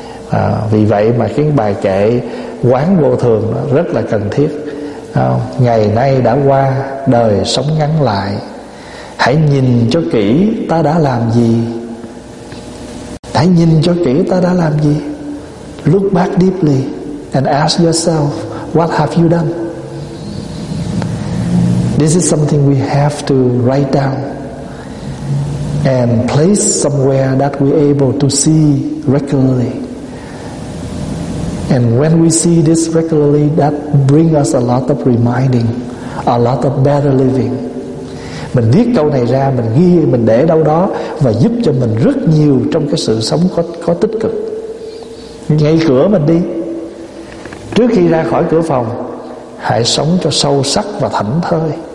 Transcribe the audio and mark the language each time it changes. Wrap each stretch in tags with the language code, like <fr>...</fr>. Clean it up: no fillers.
<vi>À, vì vậy mà cái bài kệ quán vô thường đó rất là cần thiết. À, ngày nay đã qua, đời sống ngắn lại, hãy nhìn cho kỹ ta đã làm gì. Hãy nhìn cho kỹ ta đã làm gì.</vi> <en>Look back deeply and ask yourself, what have you done? This is something we have to write down and place somewhere that we are able to see regularly. And when we see this regularly, that brings us a lot of reminding, a lot of better living.</en> <vi>Mình viết câu này ra, mình ghi, mình để đâu đó, và giúp cho mình rất nhiều trong cái sự sống có tích cực. Ngay cửa mình đi, trước khi ra khỏi cửa phòng, hãy sống cho sâu sắc và thảnh thơi.</vi>